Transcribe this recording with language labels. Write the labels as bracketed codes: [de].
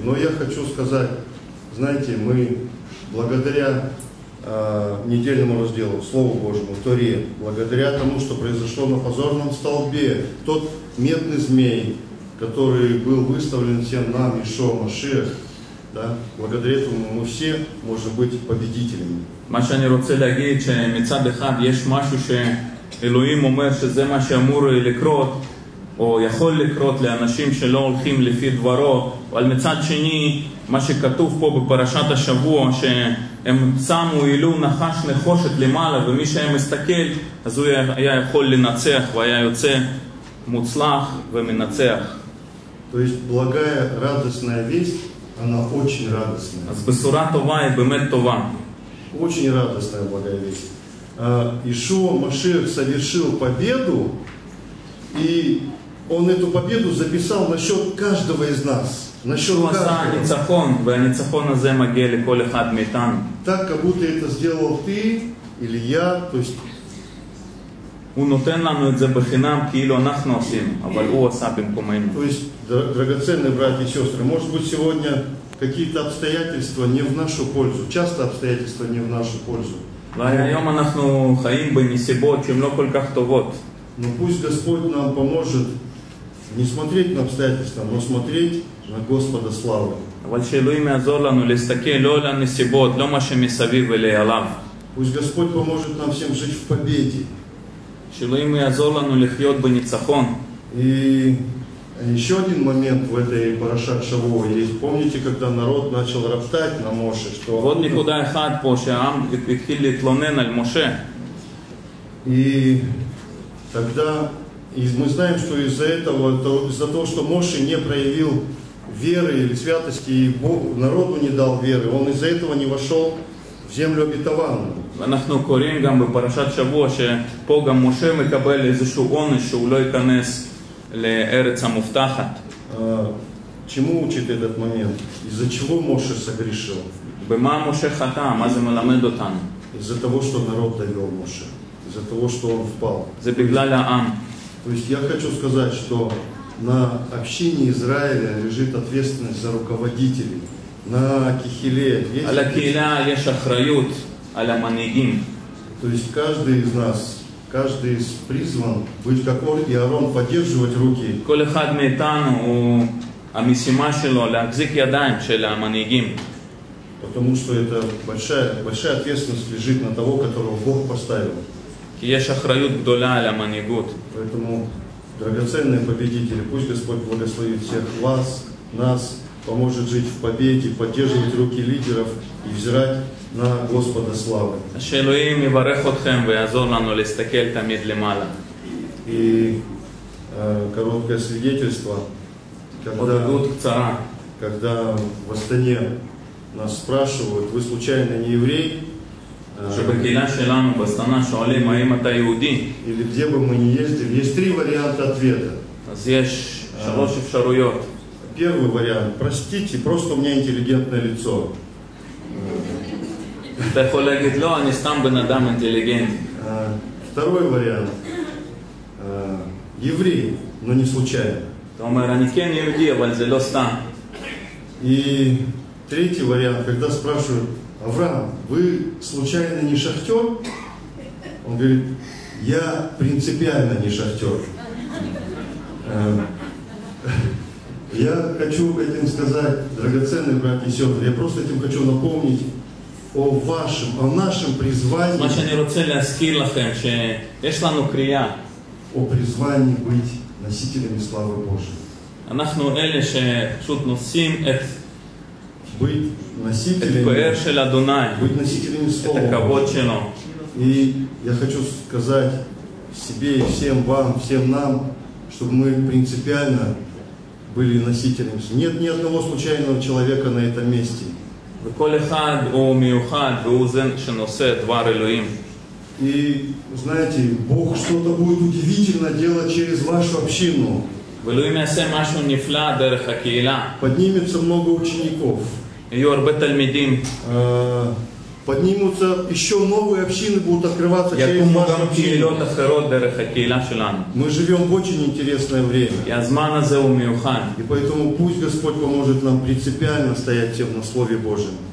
[ru] Но я хочу сказать, знаете, мы благодаря недельному разделу, Слову Божьему, Торе, благодаря тому, что произошло на позорном столбе, тот медный змей, который был выставлен всем нам, Иешуа Машиах, да, благодаря этому мы все можем быть победителями. [he] Маша не роцеля гейча, мецадыхад, еш машу, ше Элоим умер, ше зе маша амур или крот. או יכול לקרות לאנשים שלא הולכים לפי דברו, אבל מצד שני, מה שכתוב פה בפרשת השבוע, שהם שמו אילו נחש נחושת למעלה, ומי שהיה מסתכל, אז הוא היה יכול לנצח, והיה יוצא מוצלח ומנצח. [ru] То есть благая радостная весть, она очень радостная. [he] А с бесура това и бемет това. [ru] Очень радостная благая весть. Ишуа Машиах совершил победу, и он эту победу записал насчет каждого из нас. Насчет каждого. Так, как будто это сделал ты или я, то есть... [he] הוא נותן לנו את זה בחינם כאילו אנחנו עושים, אבל הוא עשה במקומנו. [ru] То есть, драгоценные братья и сестры, может быть сегодня какие-то обстоятельства не в нашу пользу, часто обстоятельства не в нашу пользу. [he] היום אנחנו חיים בנסיבות שהן לא כל כך טובות. [ru] Но пусть Господь нам поможет не смотреть на обстоятельства, но смотреть на Господа славы. [he] אבל שאלוהים יעזור לנו להסתכל לא על הנסיבות, לא מה שמסביב אלי עליו. [ru] Пусть Господь поможет нам всем жить в победе. [he] שאלוהים יעזור לנו לחיות בניצחון. [ru] И еще один момент в этой парашат шаво есть. Помните, когда народ начал роптать на Моше, что... Вот никуда [he] אחד פה, שהעם התחיל להתלונן על משה. [ru] И тогда... И мы знаем, что из-за этого, из-за того, что Моше не проявил веры или святости, и Бог народу не дал веры, он из-за этого не вошел в землю обетованную. [he] אנחנו קוראים גם בפרשת שבוע שפה גם משה מקבל איזשהו עונש שהוא לא ייכנס לארץ המובטחת. [ru] чему учит этот момент? Из-за чего Моше согрешил? [he] במה משה חטא? מה זה מלמד אותנו? [ru] Из-за того, что народ довел Моше. Из-за того, что он впал. [he] זה בגלל העם. [ru] То есть я хочу сказать, что на общине Израиля лежит ответственность за руководителей. На кихиле есть... [he] על הקהילה יש אחריות. על המנהיגים. [ru] То есть каждый из нас, каждый из призван быть как Ор и Арон, поддерживать руки. [he] כל אחד מאיתנו הוא המשימה שלו להחזיק ידיים של המנהיגים. [ru] Потому что это большая ответственность лежит на того, которого Бог поставил. [he] כי יש אחריות גדולה על המנהיגות. [ru] Поэтому, драгоценные победители, пусть Господь благословит всех вас, нас, поможет жить в победе, поддерживать руки лидеров и взирать на Господа славы. [he] שאלוהים יברך אתכם ויעזור לנו להסתכל תמיד למעלה. [ru] И короткое свидетельство, когда в Астане нас спрашивают, вы случайно не еврей? [he] שבקהילה שלנו בסטנה שואלים, האם אתה יהודי? [ru] Или где бы мы ни ездили, есть три варианта ответа. [he] אז יש שלוש אפשרויות. [ru] Первый вариант, простите, просто у меня интеллигентное лицо. [he] אתה יכול להגיד לא, אני סתם בן אדם אינטליגנט. [ru] Второй вариант. Еврей, но не случайно. [he] אתה אומר, אני כן יהודי, אבל זה לא סתם. [ru] И третий вариант, когда спрашивают, Авраам, вы случайно не шахтер? Он говорит, я принципиально не шахтер. Я хочу этим сказать, драгоценные братья и сестры, я просто этим хочу напомнить, о вашем, о нашем призвании. [he] מה שאני רוצה להזכיר לכם, שיש לנו קריאה. [ru] О призвании быть носителями славы Божьей. [he] אנחנו אלה שפשוט נושאים את... [ru] быть носителями... [he] את פאר של אדוני. [ru] быть носителями слова. [he] את הכבוד שלו. [ru] И я хочу сказать себе и всем вам, всем нам, чтобы мы принципиально были носителями. Нет ни одного случайного человека на этом месте. [he] וכל אחד הוא מיוחד והוא זה שנושא דבר אלוהים. [ru] И знаете, Бог что-то будет удивительно делать через вашу общину. [he] ואלוהים יעשה משהו נפלא דרך הקהילה. [ru] Поднимется много учеников. [he] יהיו הרבה תלמידים. [ru] Поднимутся еще новые общины будут открываться я через вашу общину. Херот, дарых, мы живем в очень интересное время. И поэтому пусть Господь поможет нам принципиально стоять всем на Слове Божьем.